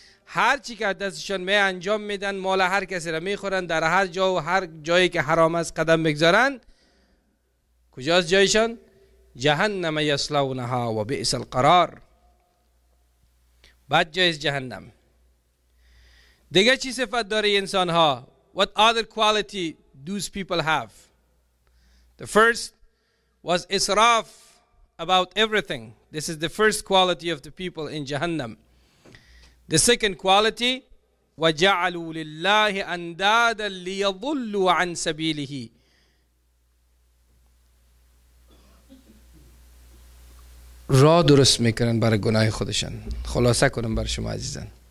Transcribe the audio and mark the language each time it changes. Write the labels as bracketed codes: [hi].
[fa] هر چی که دستشان می انجام میدن، مال هر کسی را میخورن، در هر جا و هر جایی که حرام است قدم بگذارن، کجاست جایشان؟ جهنم [ar] یسلونها و بئس القرار، [fa] بد جایست جهنم. دیگه چی صفت داره انسان ها؟ [en] What other quality those people have? The first was israf about everything. This is the first quality of the people in جهنم. The second quality, [ar] وَجَعَلُوا لِلَّهِ أَنْدَادًا لِيَضُلُّوا عَنْ سَبِيلِهِ. [fa] را درست میکنن برای گناه خودشان. خلاصه کنم برای شما عزیزان.